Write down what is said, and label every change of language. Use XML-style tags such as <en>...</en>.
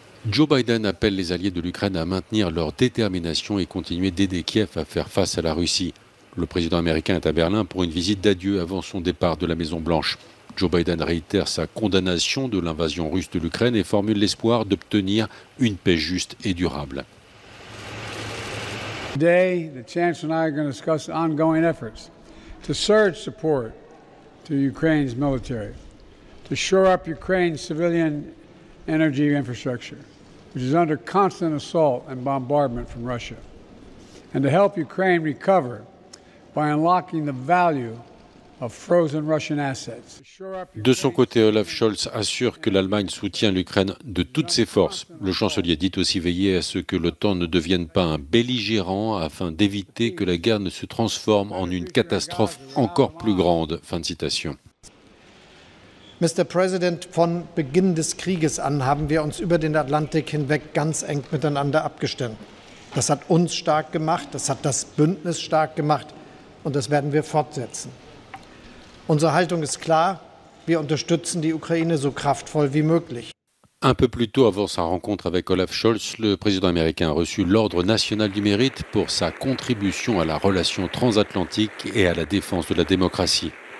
<fr>Joe Biden appelle les alliés de l'Ukraine à maintenir leur détermination et continuer d'aider Kiev à faire face à la Russie. Le président américain est à Berlin pour une visite d'adieu avant son départ de la Maison-Blanche. Joe Biden réitère sa condamnation de l'invasion russe de l'Ukraine et formule l'espoir d'obtenir une paix juste et durable.</fr> <en>Today, the Chancellor and I are going to discuss ongoing efforts to surge support to Ukraine's military, to shore up Ukraine's civilian energy infrastructure, which is under constant assault and bombardment from Russia, and to help Ukraine recover by unlocking the value of frozen Russian assets.</en> <fr>De son côté, Olaf Scholz assure que l'Allemagne soutient l'Ukraine de toutes ses forces. Le chancelier dit aussi veiller à ce que l'OTAN ne devienne pas un belligérant afin d'éviter que la guerre ne se transforme en une catastrophe encore plus grande. Fin de citation.</fr> <en>Mr.</en> <de>President, von Beginn des Krieges an haben wir uns über den Atlantik hinweg ganz eng miteinander abgestimmt. Das hat uns stark gemacht, das hat das Bündnis stark gemacht und das werden wir fortsetzen. Unsere Haltung ist klar, wir unterstützen die Ukraine so kraftvoll wie möglich.</de> <fr>Un peu plus tôt, avant sa rencontre avec Olaf Scholz, le président américain a reçu l'Ordre national du mérite pour sa contribution à la relation transatlantique et à la défense de la démocratie.</fr>